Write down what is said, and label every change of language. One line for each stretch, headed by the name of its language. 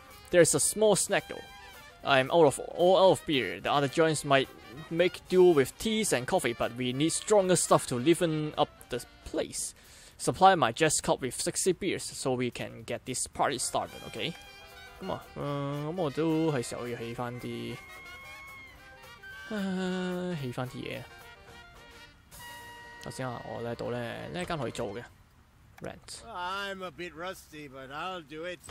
English: There's a small snack though. I'm out of beer. The other joints might make do with teas and coffee, but we need stronger stuff to liven up the place. Supply my jazz cup with 60 beers so we can get this party started, okay?
Cantonese: 咁啊，咁我都係時候要起翻啲，起翻啲嘢。頭先啊，我喺度咧，呢間可以做嘅。
English: Rent. I'm a bit rusty, but I'll do it.